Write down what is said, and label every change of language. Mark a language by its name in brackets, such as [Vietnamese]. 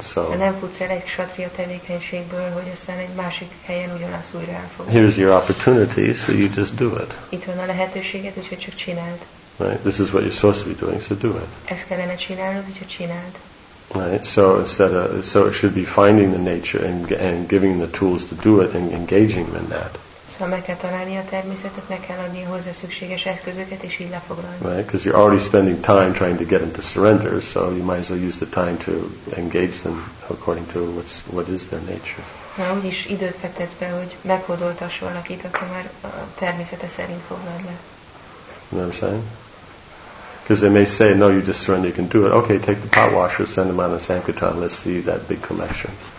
[English] So, here's your opportunity, so you just do it. Right. This is what you're supposed to be doing, so do it. Right. So instead of, so it should be finding the nature and giving the tools to do it and engaging them in that. [Hungarian] So meg kell találni a természetet, meg kell adni hozzá szükséges eszközöket és így lefoglalni. [English] Right. Because you're already spending time trying to get them to surrender, so you might as well use the time to engage them according to what is their nature. [Hungarian] Na, úgyis időt fektetsz be, hogy meghódoltass valakit, akkor már a természete szerint fogad le. [English] You know what I'm saying? Because they may say, no, you just surrender, you can do it. Okay, take the pot washer, send them on a sankirtan, let's see that big collection.